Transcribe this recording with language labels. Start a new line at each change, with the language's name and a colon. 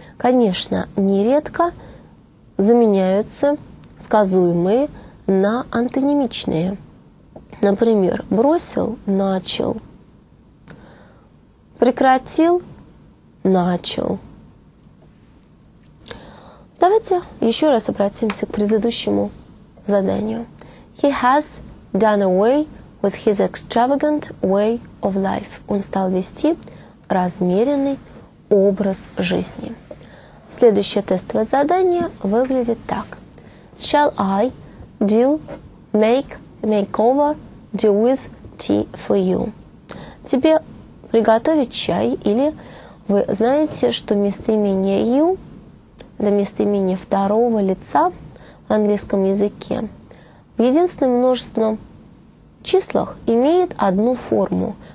Russian: Конечно, нередко заменяются сказуемые на антонимичные. Например, бросил – начал, прекратил – начал. Давайте еще раз обратимся к предыдущему заданию.
English: He has done away with his extravagant way of life.
Russian: Он стал вести размеренный образ жизни. Следующее тестовое задание выглядит так.
English: Shall I do makeover do with tea for you?
Russian: Тебе приготовить чай, или вы знаете, что местоимение you — это местоимение второго лица в английском языке. В единственном множественном числах имеет одну форму.